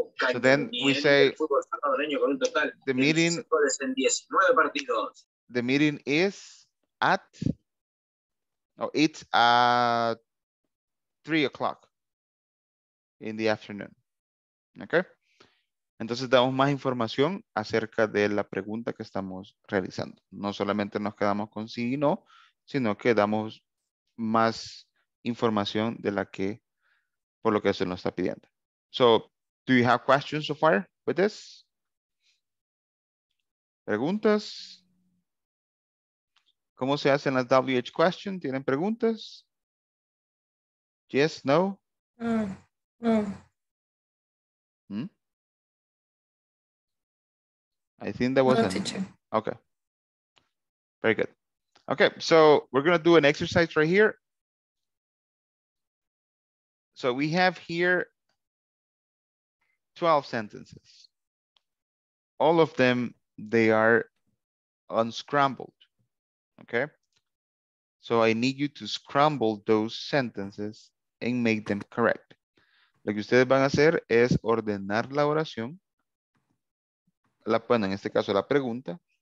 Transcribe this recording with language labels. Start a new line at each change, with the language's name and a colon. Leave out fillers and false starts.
English: So then we say the meeting is at, oh, it's at 3 o'clock in the afternoon. Okay.
Spanish: Entonces damos más información acerca de la pregunta que estamos realizando. No solamente nos quedamos con sí y no, sino que damos más información de la que por lo que se nos está pidiendo.
English: So, do you have questions so far with this?
Spanish: ¿Preguntas? ¿Cómo se hacen las WH questions? ¿Tienen preguntas?
English: Yes, no? No. I think that was no, teacher. Okay. Very good. Okay, so we're going to do an exercise right here. So we have here 12 sentences. All of them, they are unscrambled, okay? So I need you to scramble those sentences and make them correct.
Spanish: Lo que ustedes van a hacer es ordenar la oración, la, bueno, en este caso la pregunta,